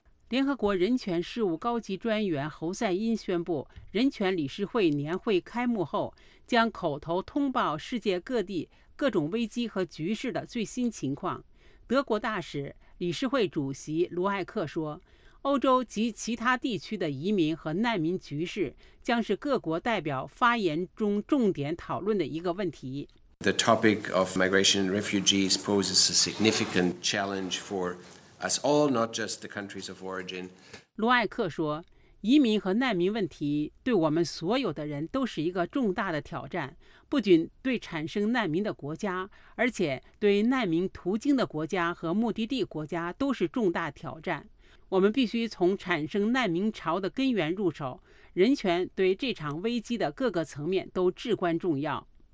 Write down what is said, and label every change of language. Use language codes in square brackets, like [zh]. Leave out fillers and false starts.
[zh] 联合国人权事务高级专员侯赛因宣布，人权理事会年会开幕后，将口头通报世界各地各种危机和局势的最新情况。德国大使、理事会主席卢艾克说，欧洲及其他地区的移民和难民局势将是各国代表发言中重点讨论的一个问题。 [en] The topic of migration and refugees poses a significant challenge for us all, not just the countries of origin. [zh] 卢艾克说，移民和难民问题对我们所有的人都是一个重大的挑战，不仅对产生难民的国家，而且对难民途径的国家和目的地国家都是重大挑战。我们必须从产生难民潮的根源入手，人权对这场危机的各个层面都至关重要。